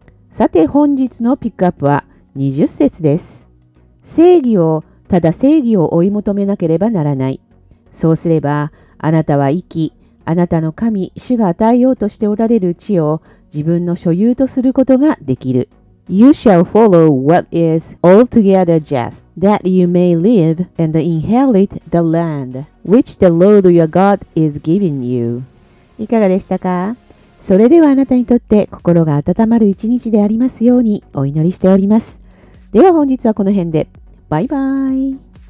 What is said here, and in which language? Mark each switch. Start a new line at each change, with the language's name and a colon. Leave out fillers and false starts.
Japanese: さて、本日のピックアップは20節です。正義を、ただ正義を追い求めなければならない。そうすればあなたは生き、あなたの神主が与えようとしておられる地を自分の所有とすることができる。
English: You shall follow what is altogether just, that you may live and inherit the land which the Lord your God is giving you.
Japanese: いかがでしたか？それではあなたにとって心が温まる一日でありますようにお祈りしております。では本日はこの辺で。バイバイ。